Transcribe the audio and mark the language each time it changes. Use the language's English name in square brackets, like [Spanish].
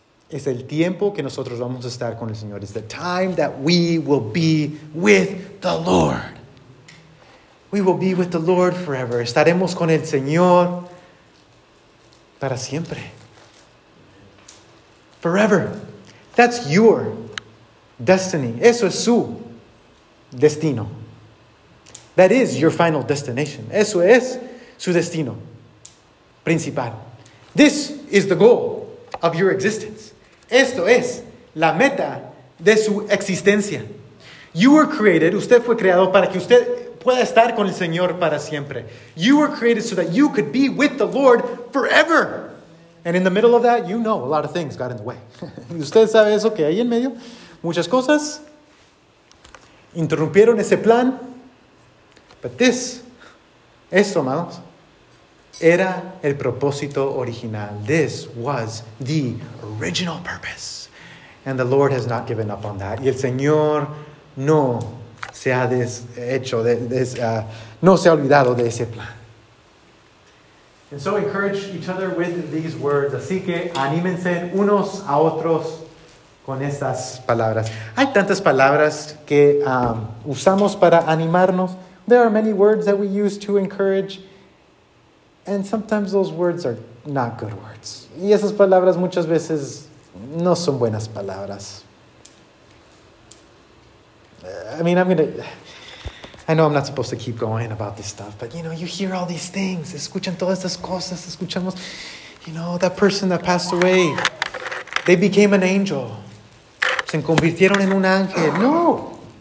[Spanish] Es el tiempo que nosotros vamos a estar con el Señor. [English] It's the time that we will be with the Lord. We will be with the Lord forever. [Spanish] Estaremos con el Señor para siempre. [English] Forever. That's your destiny. [Spanish] Eso es su destino. [English] That is your final destination. [Spanish] Eso es su destino principal. [English] This is the goal of your existence. [Spanish] Esto es la meta de su existencia. [English] You were created, [Spanish] usted fue creado para que usted pueda estar con el Señor para siempre. [English] You were created so that you could be with the Lord forever. And in the middle of that, you know a lot of things got in the way. [Spanish] Usted sabe eso que ahí en medio, muchas cosas interrumpieron ese plan. [English] But this, [Spanish] esto, amados, era el propósito original. [English] This was the original purpose. And the Lord has not given up on that. [Spanish] Y el Señor no se ha olvidado de ese plan. [English] And so encourage each other with these words. [Spanish] Así que anímense unos a otros con estas palabras. Hay tantas palabras que usamos para animarnos. [English] There are many words that we use to encourage. And sometimes those words are not good words. [Spanish] Y esas palabras muchas veces no son buenas palabras. [English] I know I'm not supposed to keep going about this stuff, but you know, you hear all these things. [Spanish] Escuchan todas estas cosas. Escuchamos, [English] you know, that person that passed away, they became an angel. [Spanish] Se convirtieron en un ángel. No!